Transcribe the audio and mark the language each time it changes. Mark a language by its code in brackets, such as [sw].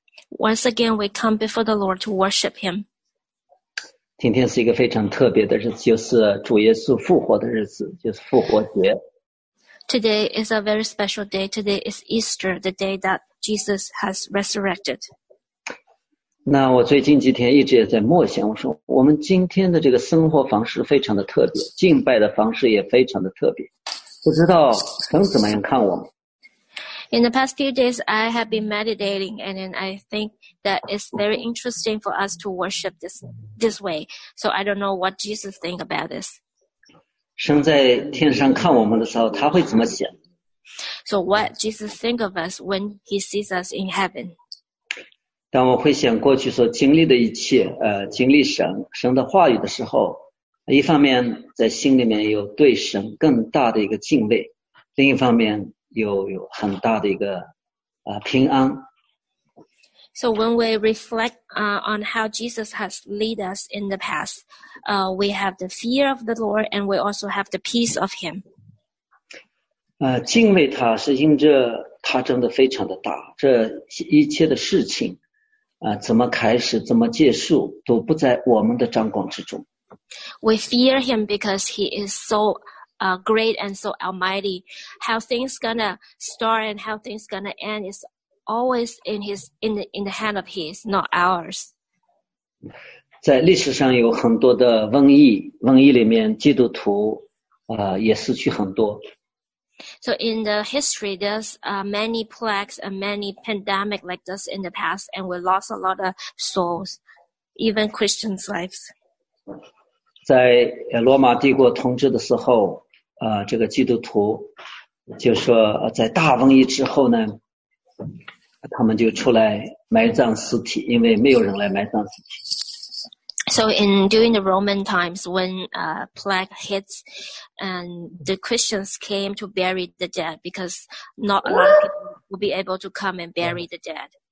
[en] Once again, we come before the Lord to worship Him. [zh] 今天是一个非常特别的日子，就是主耶稣复活的日子，就是复活节。 [en] Today is a very special day. Today is Easter, the day that Jesus has resurrected. [zh] 那我最近几天一直也在默想，我说我们今天的这个生活方式非常的特别，敬拜的方式也非常的特别，不知道神怎么样看我们。 [en] In the past few days, I have been meditating, and then I think that it's very interesting for us to worship this way. So I don't know what Jesus think about this. [zh] 神在天上看我们的时候，他会怎么想 [en] ？So what Jesus think of us when He sees us in heaven？ [zh] 当我会想过去所经历的一切，经历神的话语的时候，一方面在心里面有对神更大的一个敬畏，另一方面。有很大的一个平安。 [en] So when we reflect on how Jesus has led us in the past, we have the fear of the Lord and we also have the peace of Him. [zh] 敬畏他是因着他真的非常的大，这一切的事情怎么开始怎么结束都不在我们的掌管之中。 [en] We fear Him because He is so great and so almighty. How things gonna start and how things gonna end is always in the hand of His, not ours. [zh] 在历史上有很多的瘟疫里面基督徒也失去很多。 [en] So in the history, there's many plagues and many pandemic like this in the past, and we lost a lot of souls, even Christians' lives. [zh] 在罗马帝国统治的时候这个基督徒就说在大瘟疫之后呢，他们就出来埋葬尸体，因为没有人来埋葬尸体。 [en] So in during the Roman times, when plague hits, and the Christians came to bury the dead because not a lot of people will be able to come and bury the dead.